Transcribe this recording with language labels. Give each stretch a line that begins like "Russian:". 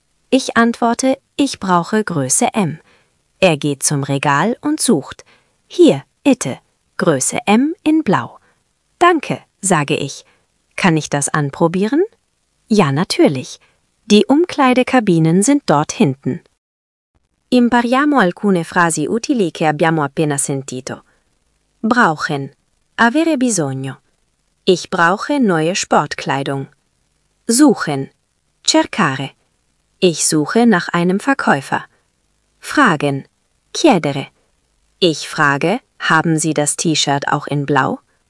German: Ich antworte, ich brauche Größe M. Er geht zum Regal und sucht. Hier, bitte, Größe M in blau. Danke, sage ich. Kann ich das anprobieren? Ja, natürlich. Die Umkleidekabinen sind dort hinten.
Italian: Impariamo alcune frasi utili che abbiamo appena sentito.
German: Brauchen.
Italian: Avere bisogno.
German: Ich brauche neue Sportkleidung. Suchen.
Italian: Cercare.
German: Ich suche nach einem Verkäufer. Fragen.
Italian: Chiedere.
German: Ich frage, haben Sie das T-Shirt auch in blau?